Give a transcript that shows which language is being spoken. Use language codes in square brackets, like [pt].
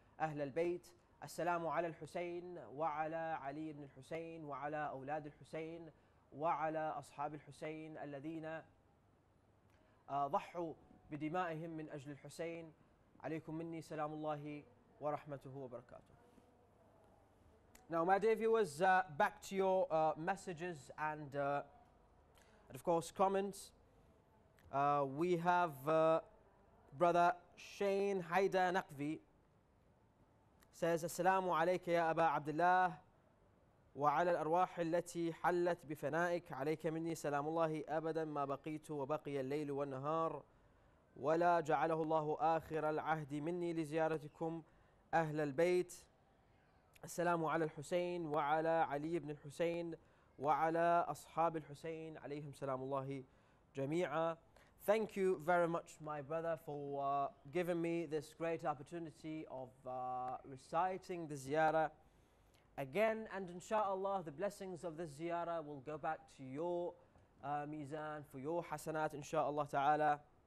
[ar] أهل البيت السلام على الحسين وعلى علي بن الحسين وعلى أولاد الحسين وعلى أصحاب الحسين الذين ضحوا بدمائهم من أجل الحسين عليكم مني سلام الله ورحمته وبركاته. [en] Now my dear viewers, back to your messages and of course comments. We have brother Shane Haida Naqvi says, [ar] السلام عليك يا أبا عبد الله وعلى الأرواح التي حلت بفنائك عليك مني سلام الله أبدا ما بقيت وبقي الليل والنهار ولا جعله الله آخر العهد مني لزيارتكم أهل البيت السلام على الحسين وعلى علي بن الحسين وعلى أصحاب الحسين عليهم سلام الله جميعا. [en] Thank you very much, my brother, for giving me this great opportunity of reciting the ziyarah again. And inshallah, the blessings of this ziyarah will go back to your mizan for your hasanat, inshallah ta'ala.